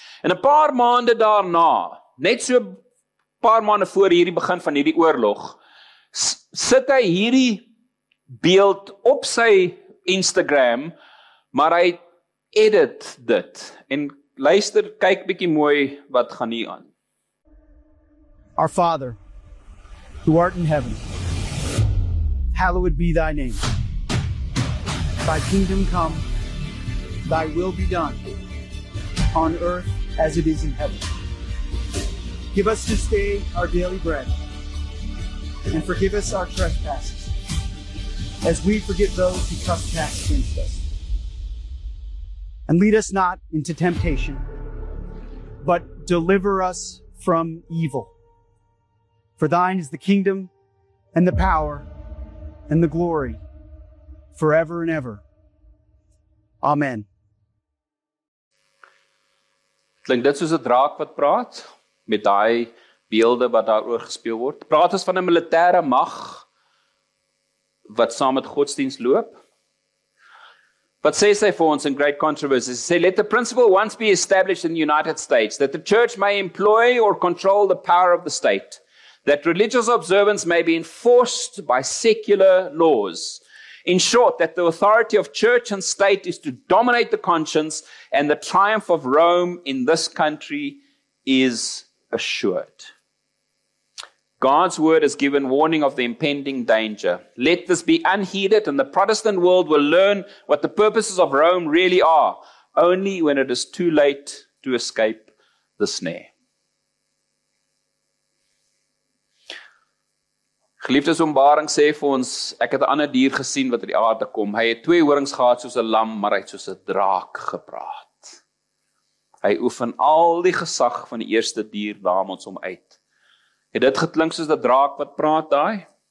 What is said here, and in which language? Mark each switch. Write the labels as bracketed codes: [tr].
[af] En 'n paar maande daarna, net so paar maande voor hierdie begin van hierdie oorlog, sit hy hierdie beeld op sy Instagram, maar hy edit dit. En luister, kyk bietjie mooi wat gaan hier aan. [en] Our Father, who art in heaven, hallowed be thy name. Thy kingdom come, thy will be done, on earth as it is in heaven. Give us this day our daily bread, and forgive us our trespasses, as we forgive those who trespass against us. And lead us not into temptation, but deliver us from evil. For thine is the kingdom and the power and the glory forever and ever. Amen. [af] Klink dit soos 'n draak wat praat met daai beelde wat daaroor gespeel word? Praat ons van 'n militêre mag wat saam met godsdienst loop? [en] But say say for once in great controversy, say let the principle once be established in the United States that the church may employ or control the power of the state, that religious observance may be enforced by secular laws. In short, that the authority of church and state is to dominate the conscience and the triumph of Rome in this country is assured. God's word has given warning of the impending danger. Let this be unheeded and the Protestant world will learn what the purposes of Rome really are, only when it is too late to escape the snare. [af] Geliefdes, Openbaring sê vir ons, ek het 'n ander dier gesien wat op die aarde kom. Hy het twee horings gehad soos 'n lam, maar hy het soos 'n draak gepraat. Hy oefen al die gesag van die eerste dier namens hom uit. Het dit geklink soos 'n draak wat praat daai?